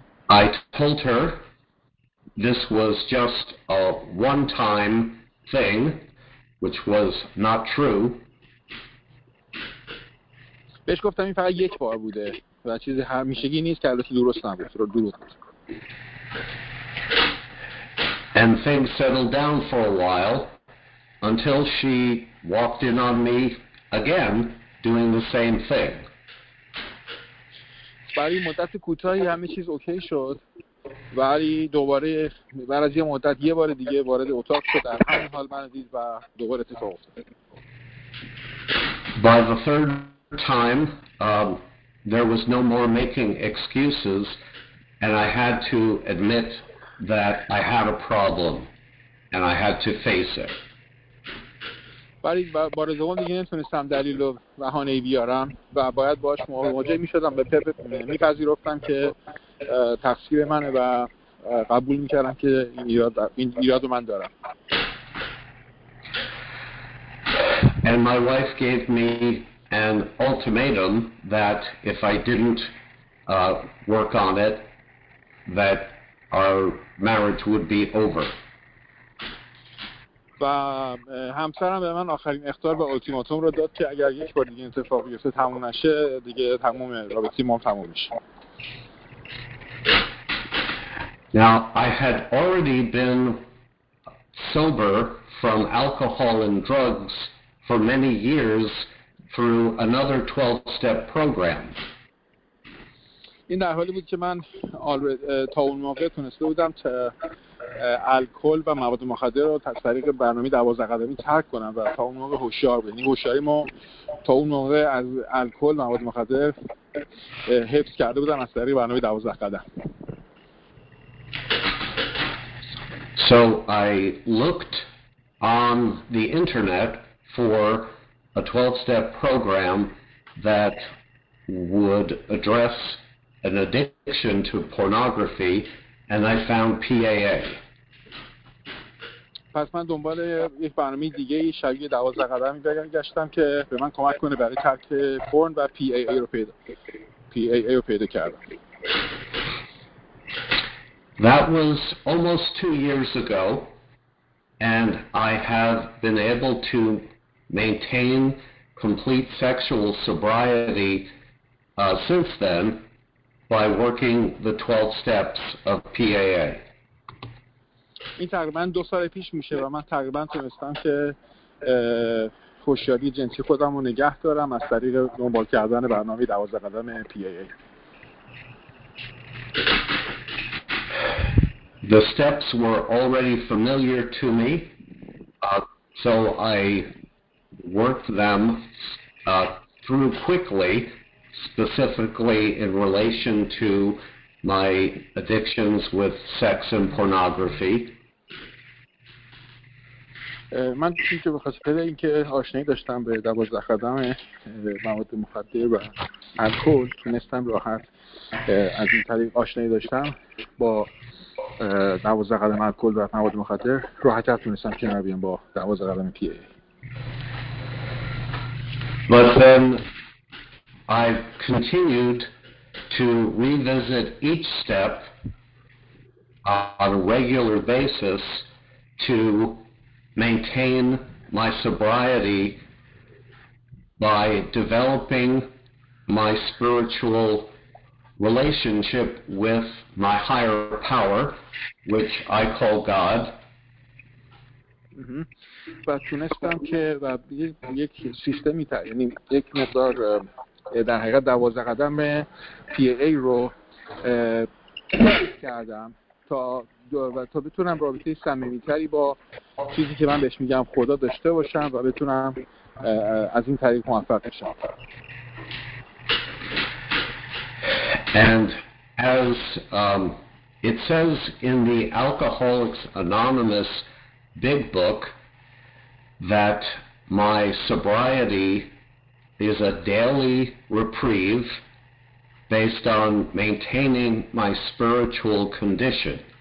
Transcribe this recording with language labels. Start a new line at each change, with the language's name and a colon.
English: I told her this was just a one-time thing, which was not true.
Persian: بهش گفتم این فقط یک بار بوده و چیزی همیشگی نیست که البته درست نبود. رو دروغ بود.
English: And things settled down for a while until she walked in on me again doing the same thing.
Persian: برای مدت کوتاهی همه چیز اوکی شد ولی دوباره بعد از یه مدت یه بار دیگه وارد اتاق شد در همین حال من دید و دوباره اتفاق افتاد.
English: By the third time there was no more making excuses and I had to admit that I had a problem and I had to face it.
Persian: برای بار دوم دیگه نمیتونستم دلیل و بهانه‌ای بیارم و باید باش مواجه میشدم به پپ میپذیرفتم که تقصیر منه و قبول میکردم که این ایراد رو من دارم.
English: And my wife gave me an ultimatum that if I didn't work on it that our marriage would be over.
Persian: و همسرم به من آخرین اخطار و اولتیماتوم رو داد که اگر یک بار دیگه اتفاق بیفته تموم نشه دیگه تموم رابطه ما تموم میشه.
English: Now I had already been sober from alcohol and drugs for many years through another 12 step program.
Persian: این در حالی بود که من تا اون موقع تونسته بودم تا الکل و مواد مخدر رو از طریق برنامه 12 قدمی ترک کنم و تا اون موقع هوشیار بودم. هوشیاری ما تا اون موقع از الکل و مواد مخدر حفظ کرده بودم از طریق برنامه 12 قدم.
English: So I looked on the internet for a 12 step program that would address an addiction to pornography, and I found PAA.
Persian: پس من دنبال یک برنامه دیگه شبیه 12 قدم گشتم که به من کمک کنه برای ترک پورن و PAA رو پیدا کردم.
English: That was almost 2 years ago. and I have been able to maintain complete sexual sobriety since then by working the 12 steps of PAA.
Persian: این تقریبا دو سال پیش میشه و من تقریبا تونستم که هوشیاری جنسی خودم رو نگه دارم از طریق دنبال کردن برنامه 12 قدم PAA.
English: The steps were already familiar to me, so I worked them through quickly, specifically in relation to my addictions with sex and pornography.
Persian: من چون که بخاطر اینکه آشنایی داشتم به 12 قدم مواد مخدر و الکل تونستم راحت از این طریق آشنایی داشتم با 12 قدم الکل و مواد مخدر راحت تونستم که نبیم با 12 قدم پی ای.
English: But then I continued to revisit each step on a regular basis to maintain my sobriety by developing my spiritual relationship with my higher power, which I call God.
Persian: و تونستم که و یک سیستمی تا یعنی یک مقدار در حقیقت 12 قدم PAA رو کردم تا و تا بتونم رابطه صمیمی‌تری با چیزی که من بهش میگم خدا داشته باشم و بتونم از این طریق موفق بشم.
English: And as it says in the Alcoholics Anonymous Big Book that my sobriety is a daily reprieve based on maintaining my spiritual condition.